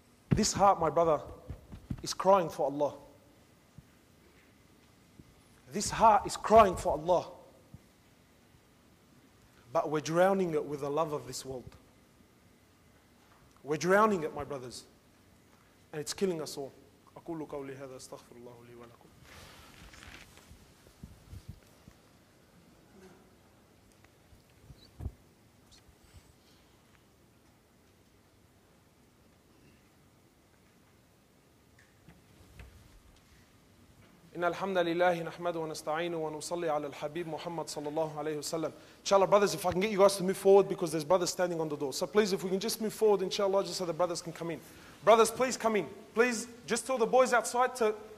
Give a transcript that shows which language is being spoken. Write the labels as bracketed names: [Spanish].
[English] This heart, my brother, is crying for Allah. This heart is crying for Allah. But we're drowning it with the love of this world. We're drowning it, my brothers. And it's killing us all. [Arabic] أقول قولي هذا استغفر الله لي ولكم. إن الحمد لله نحمد ونستعين ونصلي على الحبيب محمد صلى الله عليه وسلم. [English] Inshallah, brothers, if I can get you guys to move forward because there's brothers standing on the door. So please, if we can just move forward, inshallah, just so the brothers can come in. Brothers, please come in. Please, just tell the boys outside to...